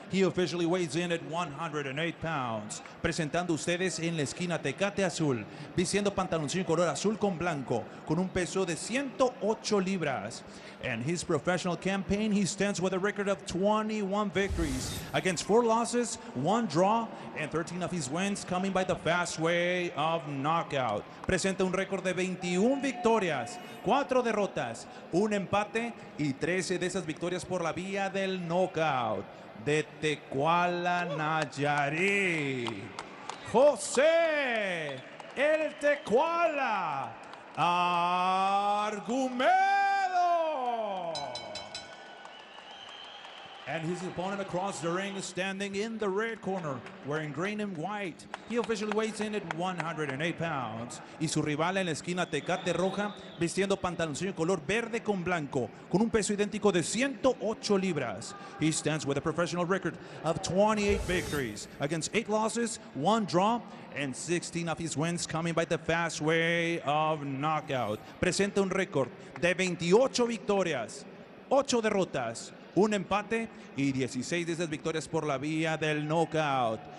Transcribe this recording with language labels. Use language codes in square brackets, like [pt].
[en] He officially weighs in at 108 pounds. [es] Presentando ustedes en la esquina Tecate Azul, vistiendo pantaloncillo color azul con blanco, con un peso de 108 libras. [en] And his professional campaign, he stands with a record of 21 victories against 4 losses, 1 draw, and 13 of his wins coming by the fast way of knockout. [es] Presenta un récord de 21 victorias, 4 derrotas, 1 empate y 13 de esas victorias por la vía del knockout. De Tecuala, Nayarit, José, el Tecuala, Argumento. [en] And his opponent across the ring is standing in the red corner, wearing green and white. He officially weighs in at 108 pounds. [es] Y su rival en la esquina Tecate Roja, vistiendo pantaloncillo color verde con blanco, con un peso idéntico de 108 libras. [en] He stands with a professional record of 28 victories against 8 losses, 1 draw, and 16 of his wins coming by the fast way of knockout. [es] Presenta un récord de 28 victorias, 8 derrotas, un empate y 16 de esas victorias por la vía del knockout.